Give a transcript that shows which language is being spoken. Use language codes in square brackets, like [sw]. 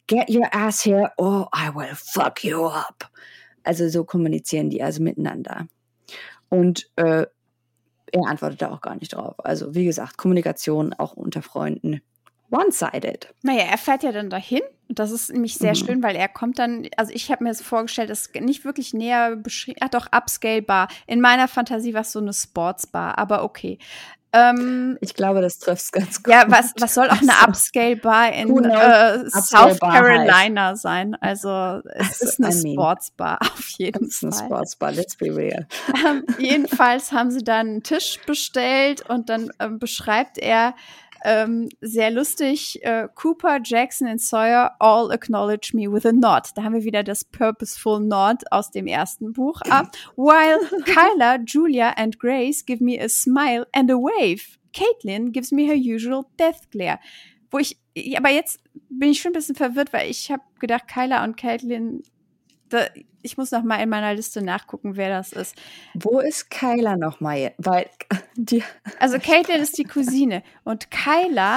[en] Get your ass here or I will fuck you up. [de] Also so kommunizieren die also miteinander. Und er antwortet da auch gar nicht drauf. Also wie gesagt, Kommunikation auch unter Freunden. One-sided. Naja, er fährt ja dann dahin. Und das ist nämlich sehr schön, weil er kommt dann, also ich habe mir das vorgestellt, das ist nicht wirklich näher beschrieben, ach doch, Upscale-Bar. In meiner Fantasie war es so eine Sports-Bar, aber okay. Ich glaube, das trifft es ganz gut. Ja, was soll auch eine Upscale-Bar in South Carolina sein? Also es ist eine Sports-Bar auf jeden Fall. Es ist eine Sports-Bar, [en] let's be real. [de] Jedenfalls haben sie dann einen Tisch bestellt und dann beschreibt er, sehr lustig, Cooper, Jackson und Sawyer [en] all acknowledge me with a nod. [de] Da haben wir wieder das purposeful nod aus dem ersten Buch. [en] While Kyla, Julia and Grace give me a smile and a wave. Caitlin gives me her usual death glare. [de] Wo ich, aber jetzt bin ich schon ein bisschen verwirrt, weil ich habe gedacht, Kyla und Caitlin, ich muss noch mal in meiner Liste nachgucken, wer das ist. Wo ist Kyla noch mal? Weil die also Caitlin ist die Cousine und Kyla.